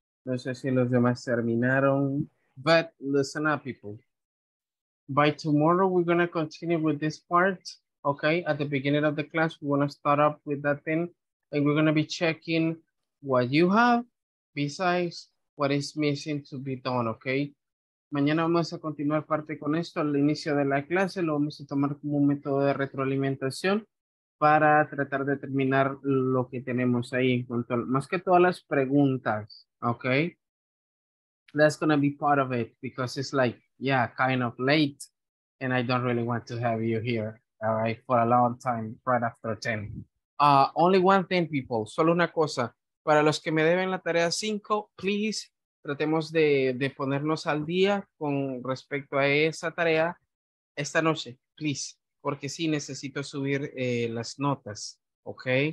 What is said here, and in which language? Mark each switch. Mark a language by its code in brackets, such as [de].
[es] No sé si los demás terminaron. [en] But listen up, people. By tomorrow, we're going to continue with this part. Okay, at the beginning of the class, we're going to start up with that thing. And we're going to be checking what you have besides what is missing to be done, okay? [es] Mañana vamos a continuar parte con esto al inicio de la clase, lo vamos a tomar como un método de retroalimentación para tratar de terminar lo que tenemos ahí en cuanto a, más que todas las preguntas, okay? [en] That's going to be part of it because it's like, yeah, kind of late and I don't really want to have you here, all right, for a long time right after 10. Only one thing, people, [es] solo una cosa. Para los que me deben la tarea 5, please, tratemos de ponernos al día con respecto a esa tarea esta noche, please, porque sí necesito subir las notas, ¿ok?